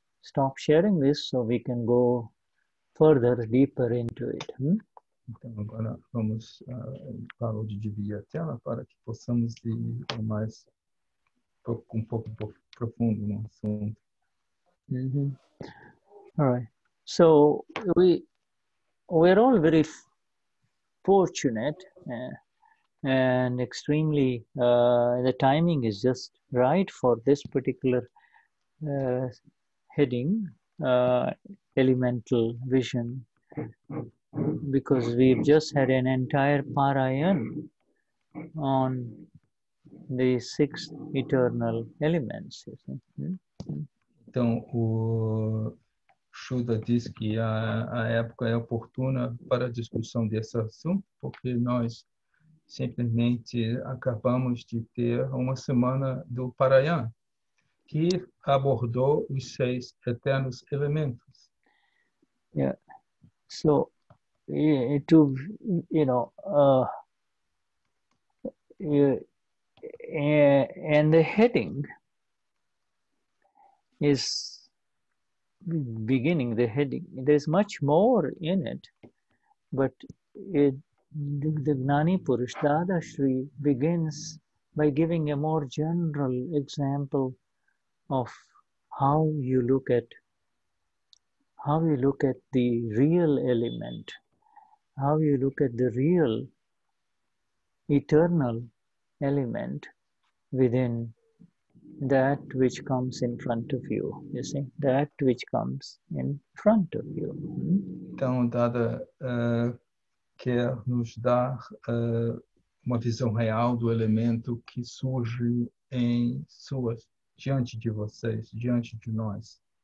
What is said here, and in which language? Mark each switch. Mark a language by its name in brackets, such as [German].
[English] stop sharing this so we can go further, deeper into it. [Portuguese] Então agora vamos parar de dividir a tela para que possamos ir mais um pouco profundo no assunto. [English] All right. So we're all very fortunate and extremely the timing is just right for this particular heading, elemental vision, because we've just had an entire parayan on the six eternal elements. [Portuguese] Então, o Shuddha diz que a época é oportuna para a discussão desse assunto, porque nós simplesmente acabamos de ter uma semana do parayan, que abordou os seis eternos elementos. [English] Yeah. So, to, you know, and the heading is beginning, the heading. There's much more in it, but the Gnani Purush Dadashri begins by giving a more general example of how you look at the real element, how you look at the real eternal element within that which comes in front of you. You see, that which comes in front of you. [Portuguese] Então, Dada quer nos dar uma visão real do elemento que surge em suas diante de vocês, diante de nós.